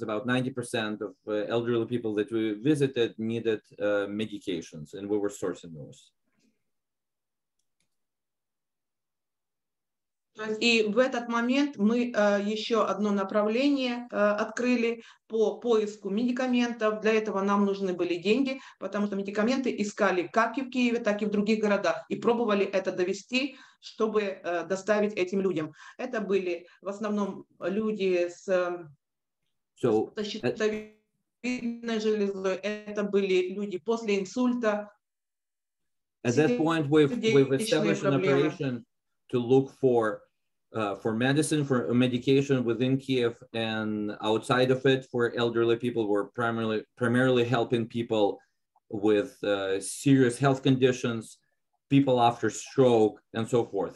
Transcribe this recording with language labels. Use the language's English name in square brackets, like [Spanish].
[English] About 90% of elderly people that we visited needed medications, and we were sourcing those. [Russian] И в этот момент мы еще одно направление открыли по поиску медикаментов. Для этого нам нужны были деньги, потому что медикаменты искали как и в Киеве, так и в других городах. И пробовали это довести, чтобы доставить этим людям. Это были в основном люди с щитовидной железой, это были люди после инсульта. [English] At that point we've established an operation to look for medicine, for medication within Kyiv and outside of it for elderly people. We're primarily helping people with serious health conditions, people after stroke and so forth.